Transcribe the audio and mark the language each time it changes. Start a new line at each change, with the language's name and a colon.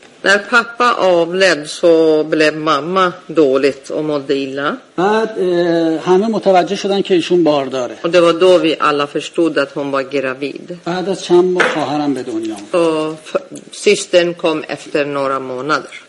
Swedish: När pappa avled så blev mamma dåligt och mådde illa.
Persian: بعد همه متوجه شدن که ایشون بار داره.
Swedish: Och det var då vi alla förstod att hon var gravid.
Persian: بعد از چند ماه خواهرم به دنیا.
Swedish: Systern kom efter några månader.